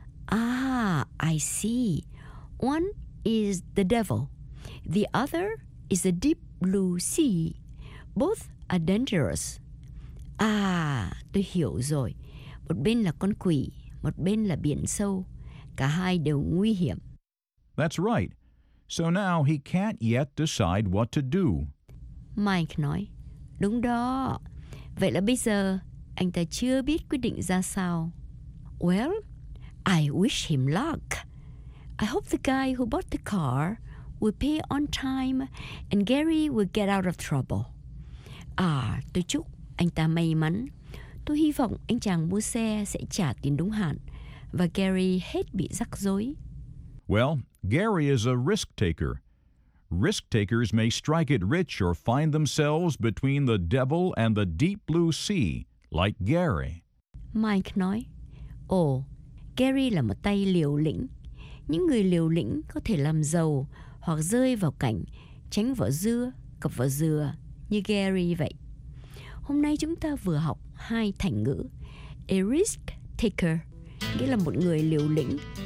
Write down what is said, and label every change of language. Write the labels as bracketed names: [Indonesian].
[English] Ah, I see. One is the devil. The other is the deep blue sea. Both are dangerous. [Vietnamese] À, tôi hiểu rồi. Một bên là con quỷ, một bên là biển sâu. Cả hai đều nguy hiểm. [English] That's right. So now he can't yet decide what to do. [Vietnamese] Mike nói, đúng đó. Vậy là bây giờ, anh ta chưa biết quyết định ra sao. [English] Well, I wish him luck. I hope the guy who bought the car will pay on time and Gary will get out of trouble. [Vietnamese] À, tôi chúc anh ta may mắn. Tôi hy vọng anh chàng mua xe sẽ trả tiền đúng hạn và Gary hết bị rắc rối. [English] Well, Gary is a risk taker. Risk takers may strike it rich or find themselves between the devil and the deep blue sea, like Gary. [Vietnamese] Mike nói, ồ, Gary là một tay liều lĩnh. Những người liều lĩnh có thể làm giàu hoặc rơi vào cảnh tránh vỏ dưa, cặp vỏ dừa như Gary vậy. Hôm nay chúng ta vừa học hai thành ngữ. [English] A risk taker, [Vietnamese] nghĩa là một người liều lĩnh.